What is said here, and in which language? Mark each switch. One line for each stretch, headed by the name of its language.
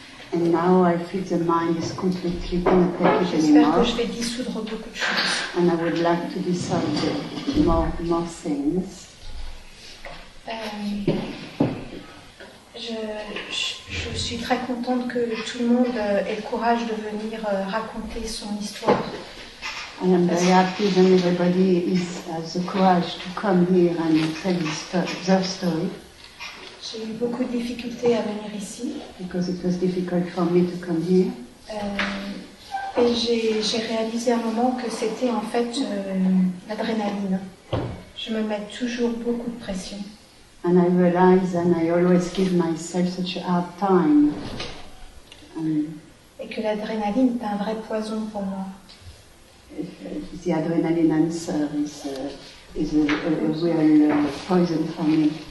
English: And now I feel the mind is completely penetrated.
French: J'espère que je vais dissoudre beaucoup de choses.
English: And I would like to dissolve more things.
French: Je suis très contente que tout le monde ait le courage de venir raconter son histoire.
English: And I'm very happy that everybody has the courage to come here and tell their story.
French: J'ai eu beaucoup de difficultés à venir ici.
English: Because it was difficult for me to come here.
French: Et j'ai réalisé à un moment que c'était en fait l'adrénaline. Je me mets toujours beaucoup de pression.
English: And I realize and I always give myself such a hard time.
French: Et que l'adrénaline est un vrai poison pour moi.
English: The adrenaline answer is a real poison for me.